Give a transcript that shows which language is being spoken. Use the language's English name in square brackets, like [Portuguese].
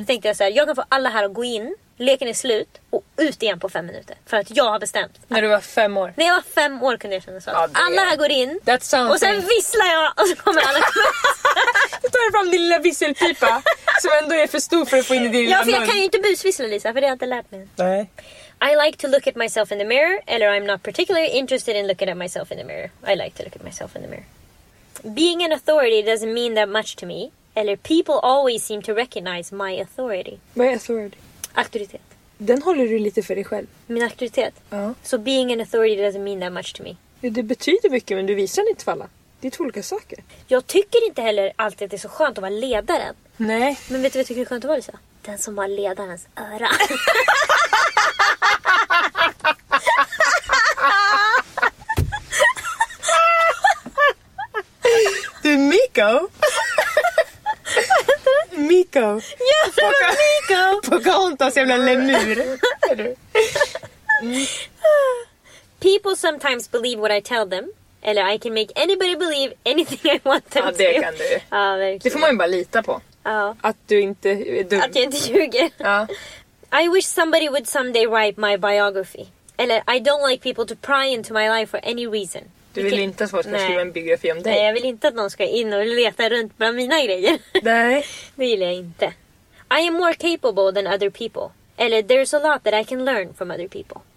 [Swedish] så tänkte jag så här, jag kan få alla här att gå in, leken är slut och ut igen på 5 minutes, för att jag har bestämt. När du var 5 år? När jag var 5 år kunde jag känna så. Ja, alla här går in, [English] that's something. [Swedish] Och sen visslar jag, och så kommer alla. Du tar fram din lilla visselpipa, som ändå är för stor för att få in i din lilla mun. Ja, för jag kan ju inte busvissla, Lisa, för det har jag inte lärt mig. Nej. [English] I like to look at myself in the mirror, eller I'm not particularly interested in looking at myself in the mirror. I like to look at myself in the mirror. Being an authority doesn't mean that much to me, eller people always seem to recognize my authority. [Swedish] Vad är authority? Auktoritet. Den håller du lite för dig själv. Min auktoritet? Ja. [English] So being an authority doesn't mean that much to me. [Swedish] Jo, det betyder mycket, men du visar inte falla. Det är två olika saker. Jag tycker inte heller alltid att det är så skönt att vara ledaren. Nej. Men vet du vad jag tycker är skönt att vara, Lisa? Den som har ledarens öra. Du, Miko. Miko. Ja, det var Miko. Pocahontas jävla lemur. [English] People sometimes believe what I tell them. Eller I can make anybody believe anything I want them to. [Swedish] Ja, det kan du. Ja, verkligen. Det får man ju bara lita på. Ja. Att du inte är dum. Att jag inte ljuger. Ja. [English] I wish somebody would someday write my biography. Eller, I don't like people to pry into my life for any reason. [Swedish] Du vill inte att folk ska skriva en biografi om dig. Nej, jag vill inte att någon ska in och leta runt bland mina grejer. Nej. Det gillar jag inte. [English] I am more capable than other people. Eller, there's a lot that I can learn from other people.